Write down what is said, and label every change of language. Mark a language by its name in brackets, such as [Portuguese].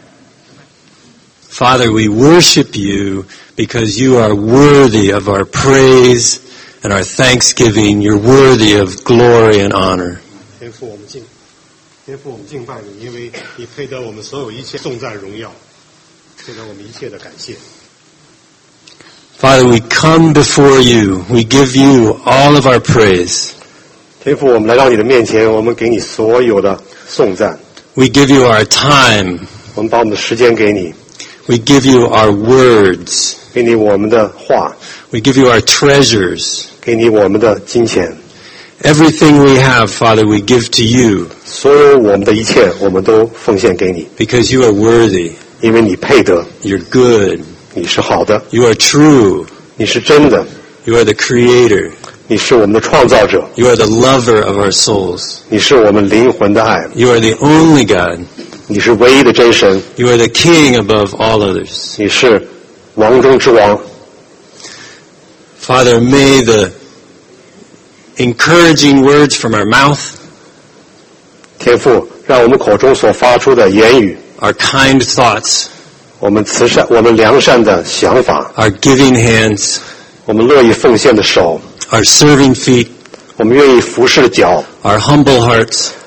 [English] Father, we worship you because you are worthy of our praise and our thanksgiving. You're worthy of glory and honor. [Chinese] 天父我们敬拜你，因为你配得我们所有一切颂赞荣耀，配得我们一切的感谢。 [English] Father, we come before you. We give you all of our praise. [Chinese] 天父，我们来到你的面前，我们给你所有的颂赞。 [English] We give you our time. [Chinese] 我们把我们的时间给你。 [English] We give you our words. [Chinese] 给你我们的话。 [English] We give you our treasures. [Chinese] 给你我们的金钱。 [English] Everything we have, Father, we give to you. [Chinese] 所有我们的一切，我们都奉献给你。 [English] Because you are worthy. [Chinese] 因为你配得。 [English] You're good. [Chinese] 你是好的。 [English] You are true. [Chinese] 你是真的。 [English] You are the creator. [Chinese] 你是我们的创造者。 [English] You are the lover of our souls. [Chinese] 你是我们灵魂的爱。 [English] You are the only God. [Chinese] 你是唯一的真神。 [English] You are the king above all others. [Chinese] 你是王中之王。 [English] Father, may the encouraging words from our mouth, [Chinese] 天父，让我们口中所发出的言语 [English] our kind thoughts, [Chinese] 我们慈善，我们良善的想法 [English] our giving hands, [Chinese] 我们乐意奉献的手 [English] our serving feet, [Chinese] 我们愿意服侍的脚 [English] our humble hearts,